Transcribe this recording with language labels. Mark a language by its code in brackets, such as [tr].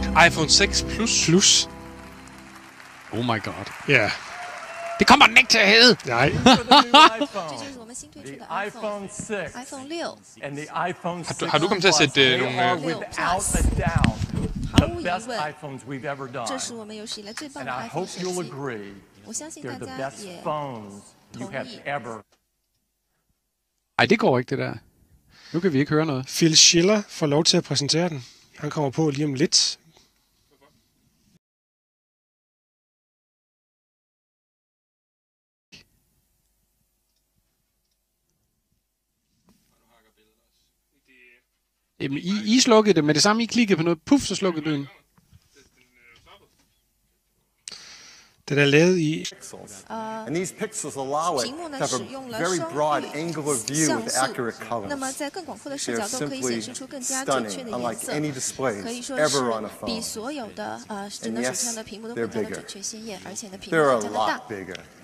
[en] iPhone 6 Plus. Plus. Oh my god. Ja. Yeah. [da] Det kommer den ikke til at hedde! Nej. [en] The iPhone 6 and the iPhone 6 Plus. [da] Har du kommet til at sætte nogle... [en] Without a doubt, the best iPhones we've ever done. And I hope you'll agree, they're the best phones you have ever... [da] Ej, det går ikke det der. Nu kan vi ikke høre noget. Phil Schiller får lov til at præsentere den. Han kommer på lige om lidt. Jamen, I slukkede det med det samme, I klikkede på noget, puff, så slukkede lyden. Den er lavet i... [en] And these pixels allow it to have a very broad angular view with accurate colors. They are simply stunning, unlike any displays ever on a phone. And yes, they're bigger. They're a lot bigger.